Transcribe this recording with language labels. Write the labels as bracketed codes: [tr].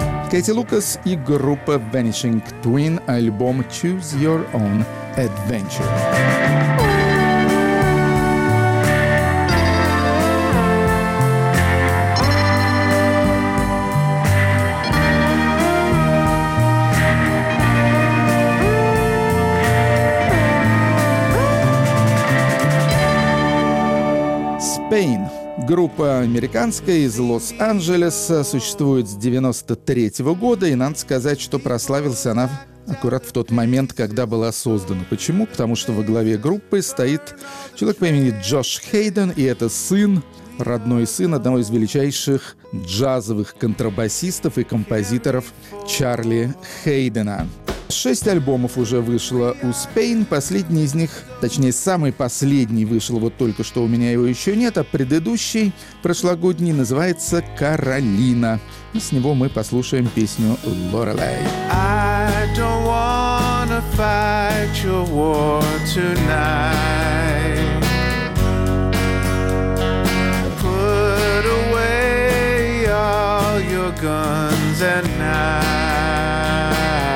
[ru] Кэти Лукас и группа Vanishing Twin, альбом Choose Your Own Adventure. [en] Spain. [ru] Группа американская из Лос-Анджелеса, существует с 93 года, и надо сказать, что прославилась она аккурат в тот момент, когда была создана. Почему? Потому что во главе группы стоит человек по имени Джош Хейден, и это сын, родной сын одного из величайших джазовых контрабасистов и композиторов Чарли Хейдена. 6 альбомов уже вышло у Spain. Последний из них, точнее, самый последний вышел вот только что, у меня его еще нет, а предыдущий, прошлогодний, называется «Каролина». И с него мы послушаем песню «Лорелей». [en] I don't wanna fight your war tonight. Put away all your guns and knives.